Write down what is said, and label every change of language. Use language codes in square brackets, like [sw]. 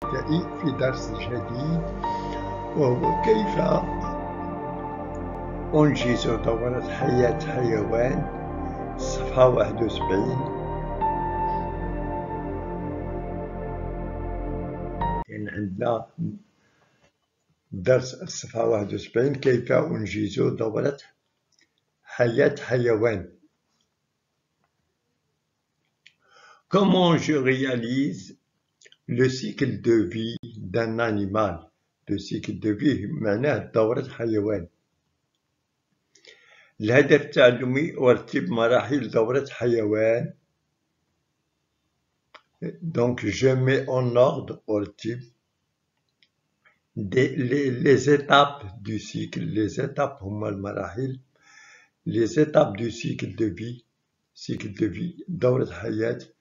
[ar] دقيق في درس جديد، وهو كيف أنجز دورة حياة حيوان، صفحة 71. يعني عندنا درس الصفحة 71، كيف أنجز دورة حياة حيوان. [fr] Comment je réalise le cycle de vie d'un animal? Le cycle de vie, [ar] معناه دورة حيوان. الهدف التعلمي ورتب مراحل دورة حيوان. [fr] Donc, je mets en ordre [ar] ورتب [fr] les étapes du cycle. Les étapes [ar] هما المراحل. [fr] Les étapes du cycle de vie. Cycle de vie, [ar] دورة حياة.